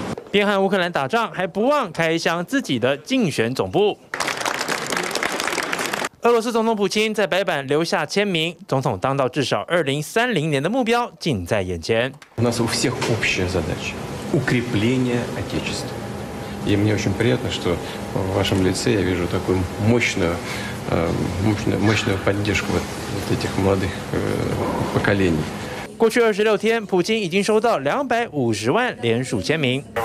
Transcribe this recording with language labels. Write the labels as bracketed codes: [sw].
[zh] 边和乌克兰打仗，还不忘开箱自己的竞选总部。俄罗斯总统普京在白板留下签名，总统当到至少2030年的目标近在眼前。 [ru] У нас у всех общая задача – укрепление отечества. И мне очень приятно, что в вашем лице я вижу такую мощную поддержку вот этих молодых поколений. [zh] 过去26天，普京已经收到250万联署签名。